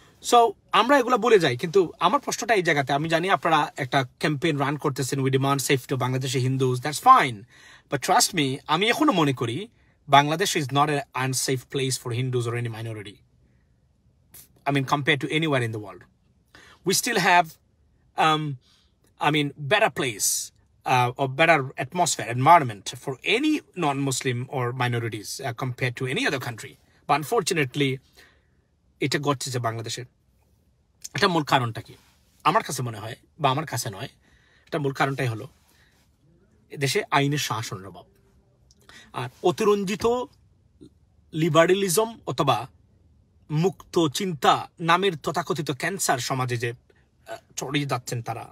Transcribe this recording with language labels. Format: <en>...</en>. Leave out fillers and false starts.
<bn>So আমরা এগুলো বলে যাই, কিন্তু আমার প্রশ্নটা এই জায়গাতে, আমি জানি আপনারা একটা ক্যাম্পেইন রান করতেছেন</bn> <en>we demand safety Bangladeshi Hindus, that's fine, but trust me</en> <bn>আমি এখনো মনে করি</bn> <en>Bangladesh is not an unsafe place for Hindus or any minority. I mean, compared to anywhere in the world. We still have, better place or better atmosphere, environment for any non-Muslim or minorities compared to any other country. But unfortunately, it got to Bangladesh.</en> <bn>এটা মূল কারণটা কি আমার কাছে মনে হয় বা আমার কাছে নয়, এটা মূল কারণটাই হলো দেশে আইনের শাসনের অভাব আর অতিরঞ্জিত লিবারেলিজম অথবা মুক্ত চিন্তা নামের তথাকথিত ক্যান্সার সমাজে যে ছড়িয়ে যাচ্ছেন তারা।</bn>